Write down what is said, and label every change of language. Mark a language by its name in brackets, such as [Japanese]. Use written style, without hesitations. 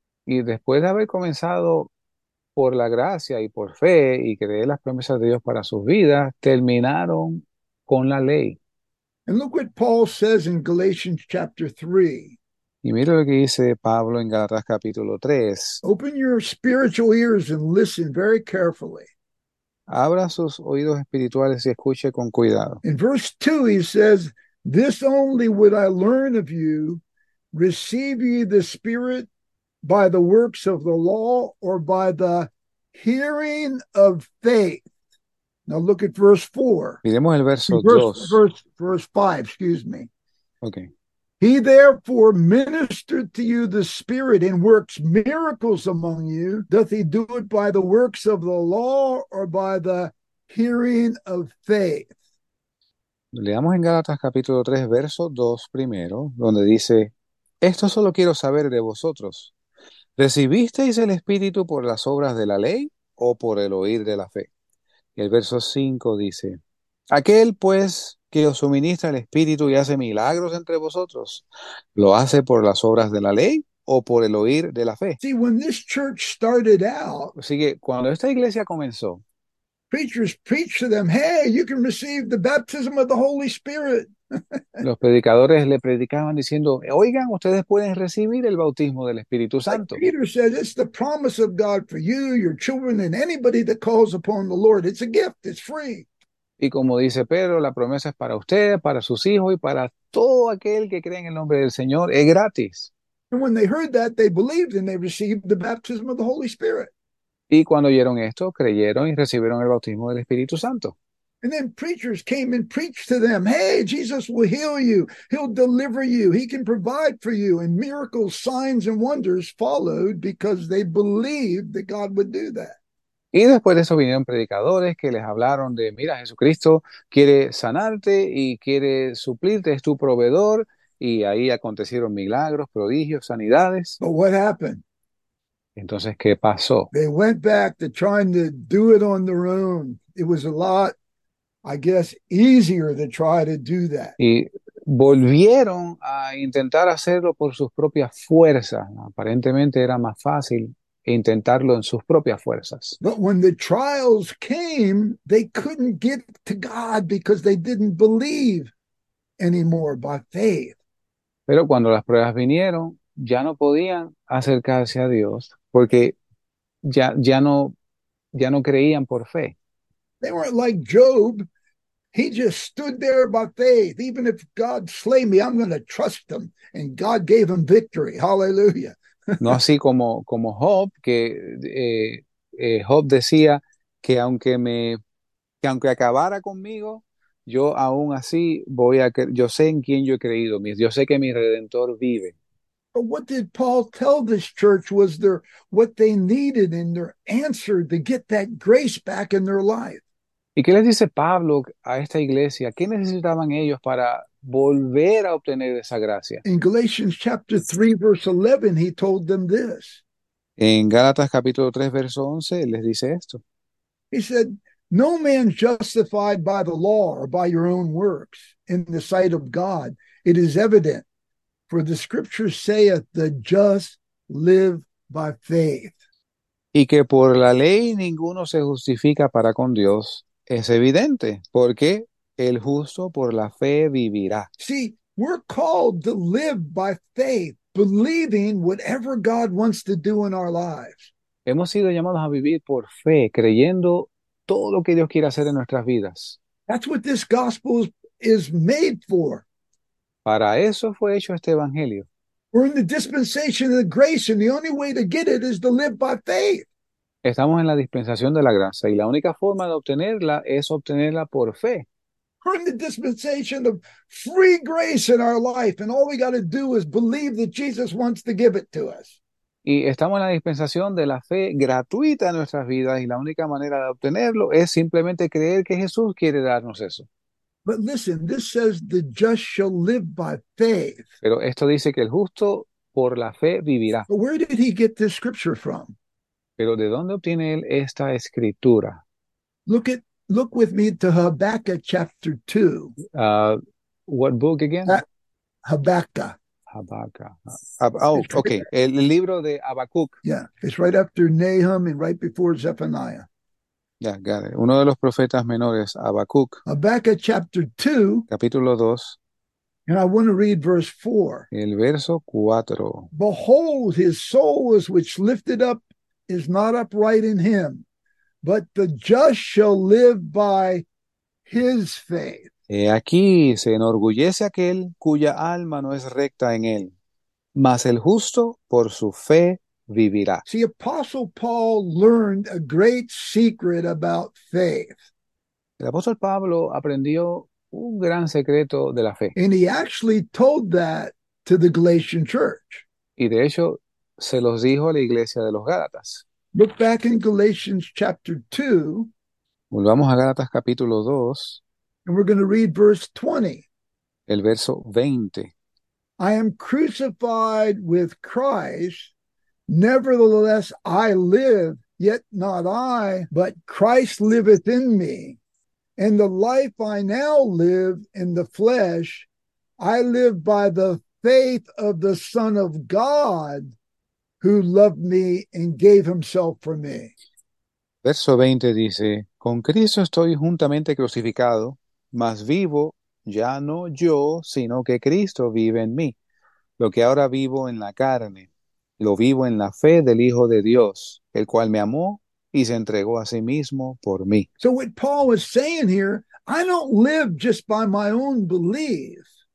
[Spanish] Y después de haber comenzado por la gracia y por fe y creer las promesas de Dios para sus vidas, terminaron con la ley. [English] And look what Paul says in Galatians chapter 3. [Spanish] Y mire lo que dice Pablo en Gálatas capítulo 3. [English] Open your spiritual ears and listen very carefully. [Spanish] Abra sus oídos espirituales y escuche con cuidado. [English] In verse 2, he says, "This only would I learn of you, receive ye the Spirit by the works of the law or by the hearing of faith." Now look at verse 4. [Spanish] Miremos el verso [English] Verse 2. five, excuse me. Okay. "He therefore ministered to you the Spirit and works miracles among you. Doth he do it by the works of the law or by the hearing of faith?" [Spanish] Leamos en Gálatas capítulo 3, verso 2 primero, donde dice: Esto solo quiero saber de vosotros. ¿Recibisteis el Espíritu por las obras de la ley o por el oír de la fe? Y el verso 5 dice: Aquel, pues, que os suministra el Espíritu y hace milagros entre vosotros, ¿lo hace por las obras de la ley o por el oír de la fe? [English] See, when this church started out, [Spanish] Así que cuando esta iglesia comenzó, [English] preachers preached to them, "Hey, you can receive the baptism of the Holy Spirit." [Spanish] los predicadores le predicaban diciendo: Oigan, ustedes pueden recibir el bautismo del Espíritu [English] Like [Spanish] Santo. [English] Peter said, it's the promise of God for you, your children, and anybody that calls upon the Lord. It's a gift, it's free. [Spanish] Y como dice Pedro, la promesa es para ustedes, para sus hijos y para todo aquel que cree en el nombre del Señor. Es gratis. [English] And when they heard that, they believed and they received the baptism of the Holy Spirit. [Spanish] Y cuando oyeron esto, creyeron y recibieron el bautismo del Espíritu Santo. [English] And then preachers came and preached to them, "Hey, Jesus will heal you, he'll deliver you, he can provide for you." And miracles, signs, and wonders followed because they believed that God would do that. [Spanish] Y después de eso vinieron predicadores que les hablaron de, mira, Jesucristo quiere sanarte y quiere suplirte, es tu proveedor. Y ahí acontecieron milagros, prodigios, sanidades. [English] But what happened? [Spanish] Entonces, ¿qué pasó? [English] They went back to trying to do it on their own. It was a lot, I guess, easier to try to do that. [Spanish] Y volvieron a intentar hacerlo por sus propias fuerzas. Aparentemente era más fácil intentarlo en sus propias fuerzas. [English] But when the trials came, they couldn't get to God because they didn't believe anymore by faith. [Spanish] Pero cuando las pruebas vinieron, ya no podían acercarse a Dios porque ya no creían por fe. [English] They weren't like Job. He just stood there by faith. Even if God slay me, I'm going to trust him. And God gave him victory. Hallelujah. [Spanish] No así como Job, que Job decía que aunque acabara conmigo, yo aún así voy a creer, yo sé en quién yo he creído, yo sé que mi Redentor vive. [English] What did Paul tell this church was their what they needed in their answer to get that grace back in their life? [Spanish] ¿Y qué les dice Pablo a esta iglesia? ¿Qué necesitaban ellos para volver a obtener esa gracia? [English] In Galatians chapter 3, verse 11, he told them this. [Spanish] En Gálatas capítulo 3, verso 11, él les dice esto. [English] He said, "No man justified by the law or by your own works in the sight of God, it is evident, for the scripture saith, the just live by faith." [Spanish] Y que por la ley ninguno se justifica para con Dios es evidente, porque el justo por la fe vivirá. [English] See, we're called to live by faith, believing whatever God wants to do in our lives. [Spanish] Hemos sido llamados a vivir por fe, creyendo todo lo que Dios quiere hacer en nuestras vidas. [English] That's what this gospel is made for. [Spanish] Para eso fue hecho este evangelio. [English] We're in the dispensation of the grace, and the only way to get it is to live by faith. [Spanish] Estamos en la dispensación de la gracia y la única forma de obtenerla es obtenerla por fe. [English] We're in the dispensation of free grace in our life, and all we got to do is believe that Jesus wants to give it to us. [Spanish] Y estamos en la dispensación de la fe gratuita en nuestras vidas y la única manera de obtenerlo es simplemente creer que Jesús quiere darnos eso. [English] But listen, this says the just shall live by faith. [Spanish] Pero esto dice que el justo por la fe vivirá. [English] But where did he get this scripture from? [Spanish] Pero ¿de dónde obtiene él esta escritura? [English] Look with me to Habakkuk chapter 2. What book again? Habakkuk. [Spanish] Habakkuk. [English] Oh, okay. [Spanish] El libro de Habacuc. [English] Yeah, it's right after Nahum and right before Zephaniah. Yeah, got it. [Spanish] Uno de los profetas menores, Habacuc, [English] Habakkuk chapter 2, [Spanish] capítulo 2, [English] and I want to read verse 4. [Spanish] el verso 4. [English] Behold, his soul is which lifted up is not upright in him, but the just shall live by his faith. [Spanish] Aquí se enorgullece aquel cuya alma no es recta en él, mas el justo por su fe vivirá. [English] See, Apostle Paul learned a great secret about faith. [Spanish] El apóstol Pablo aprendió un gran secreto de la fe. [English] And he actually told that to the Galatian church. [Spanish] Y de hecho se los dijo a la iglesia de los Gálatas. [English] Look back in Galatians chapter 2, [Spanish] Volvamos a Gálatas capítulo 2. [English] and we're going to read verse 20. [Spanish] El verso 20. [English] I am crucified with Christ. Nevertheless, I live, yet not I, but Christ liveth in me. And the life I now live in the flesh, I live by the faith of the Son of God, who loved me and gave himself for me. [Spanish] Verso 20 dice, con Cristo estoy juntamente crucificado, mas vivo. Ya no yo, sino que Cristo vive en mí. Lo que ahora vivo en la carne, lo vivo en la fe del Hijo de Dios, el cual me amó y se entregó a sí mismo por mí. [English] So what Paul is saying here, I don't live just by my own belief.